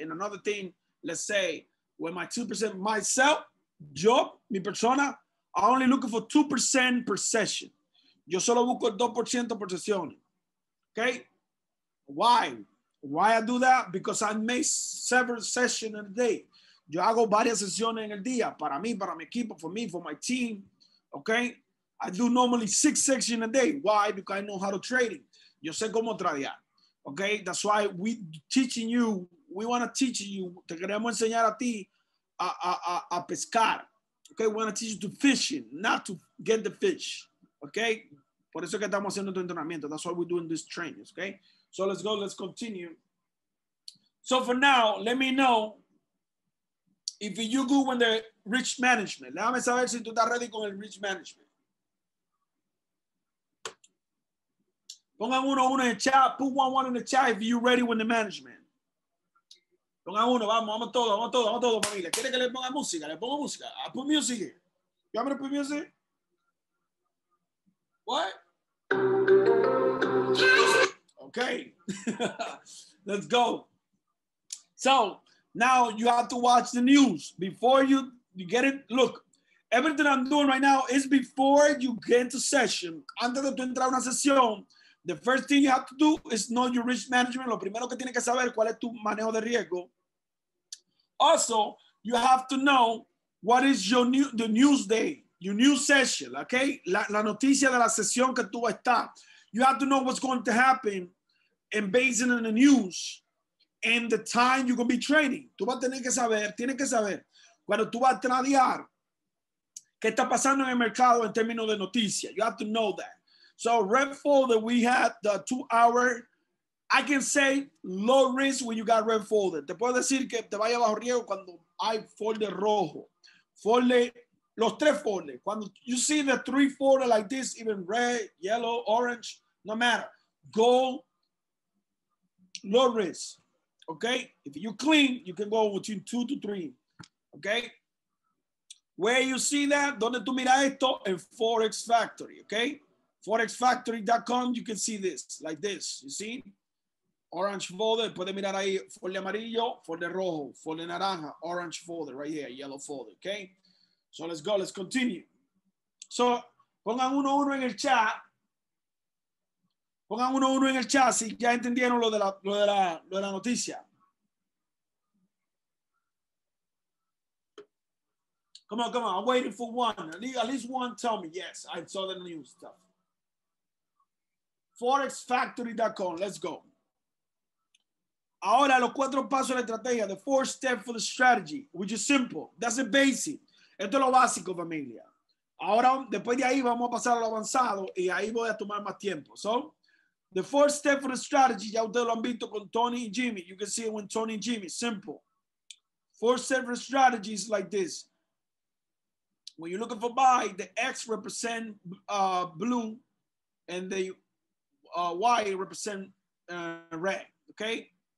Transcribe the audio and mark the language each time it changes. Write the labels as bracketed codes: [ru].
[en] And another thing, let's say, when my 2%, myself, [es] yo, mi persona, [en] I'm only looking for 2% per session. [es] Yo solo busco [en] 2% per session. Okay? Why? Why I do that? Because I make several sessions in a day. [es] Yo hago varias sesiones en el día para mí, para mi equipo, [en] for me, for my team. Okay? I do normally 6 sessions a day. Why? Because I know how to trade it. [es] Yo sé cómo tradear. [en] Okay? That's why we teaching you. We want to teach you. [es] Te queremos enseñar a ti a pescar. Okay? [en] We want to teach you to fishing, not to get the fish. Okay? [es] Por eso que estamos haciendo este entrenamiento. [en] That's why we're doing this training. Okay? So let's go. Let's continue. So for now, let me know if you go with the risk management. [es] Déjame saber si tú estás ready con el risk management. Pongan uno, uno en el chat. [en] Put one, one in the chat if you're ready with the management. [es] Pongan uno, vamos, vamos todos, vamos todos, vamos todos, familia. ¿Quiere que le ponga música? Le pongo música. [en] I put music here. You want me to put music? What? Okay. Let's go. So, now you have to watch the news before you get it. Look, everything I'm doing right now is before you get into session. [es] Antes de tu entrar a una sesión, [en] the first thing you have to do is know your risk management. [es] Lo primero que tienes que saber cuál es tu manejo de riesgo. [en] Also, you have to know what is your new the news day, your new session, okay? [es] La noticia de la sesión que tú estás. [en] You have to know what's going to happen and based on the news. And the time you're going to be trading. [es] Tú vas a tener que saber, tienes que saber, cuando tú vas a tradear, qué está pasando en el mercado en términos de noticias. [en] You have to know that. So, red folder, we had the 2-hour, I can say low risk when you got red folder. [es] Te puedo decir que te vaya bajo riesgo cuando hay folder rojo. Folder, los tres folder. [en] Cuando you see the 3 folder like this, even red, yellow, orange, no matter. Go, low risk. Okay, if you clean, you can go between 2 to 3. Okay, where you see that, [es] donde tu mira esto, [en] in Forex Factory. Okay, forexfactory.com, you can see this, like this. You see, orange folder, [es] puede mirar ahí, folder amarillo, folder rojo, folder naranja, [en] orange folder, right here, yellow folder. Okay, so let's go, let's continue. So, [es] pongan uno uno en el chat. Pongan uno uno en el chat si ya entendieron lo de la noticia. [en] Come on, come on. I'm waiting for one. At least one tell me. Yes, I saw the new stuff. Forexfactory.com. Let's go. [es] Ahora, los cuatro pasos de la estrategia. [en] The 4 steps for the strategy, which is simple. That's the basic. [es] Esto es lo básico, familia. Ahora, después de ahí, vamos a pasar a lo avanzado y ahí voy a tomar más tiempo. [en] So, the 4 step for the strategy, [es] ya ustedes lo han visto con Tony y Jimmy. [en] You can see it with Tony and Jimmy. Simple. 4 step for strategy is like this. When you're looking for buy, the X represent blue and the Y represent red. Okay?